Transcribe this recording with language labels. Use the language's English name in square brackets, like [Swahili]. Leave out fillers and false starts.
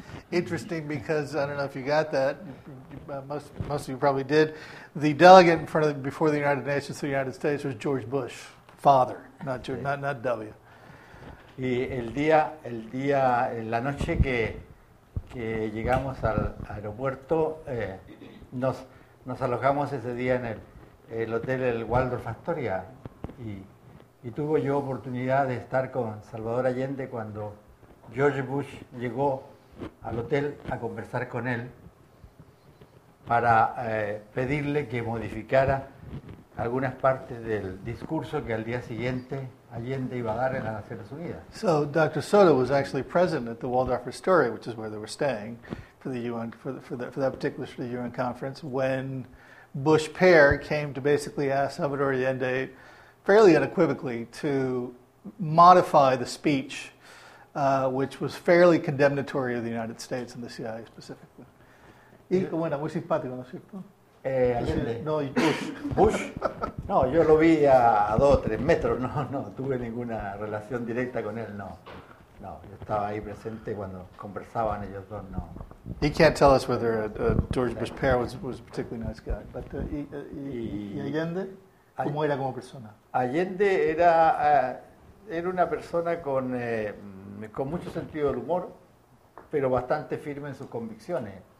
[English] Interesting because, I don't know if you got that, most of you probably did, the delegate in front of before the United Nations to the United States was George Bush, father, not George, sí, not W. [Spanish] Y el día, la noche que llegamos al aeropuerto, nos alojamos ese día en el hotel el Waldorf Astoria, y tuve yo oportunidad de estar con Salvador Allende cuando George Bush llegó al hotel a conversar con él para pedirle que modificara algunas partes del discurso que al día siguiente Allende iba a dar en las Naciones Unidas. [English] So Dr. Soto was actually present at the Waldorf Astoria, which is where they were staying for the UN for that particular UN conference, when Bush Pair came to basically ask Salvador Allende fairly unequivocally to modify the speech, which was fairly condemnatory of the United States and the CIA specifically. [Spanish] Y bueno, muy simpático, ¿no es cierto? Allende. No, Bush. Bush? No, yo lo vi a dos o tres metros. No tuve ninguna relación directa con él, no. No, yo estaba ahí presente cuando conversaban ellos dos, no. [English] He can't tell us whether a George Bush pair was a particularly nice guy. [Spanish] But Allende, ¿cómo era como persona? Allende era, era una persona con... con mucho sentido del humor, pero bastante firme en sus convicciones.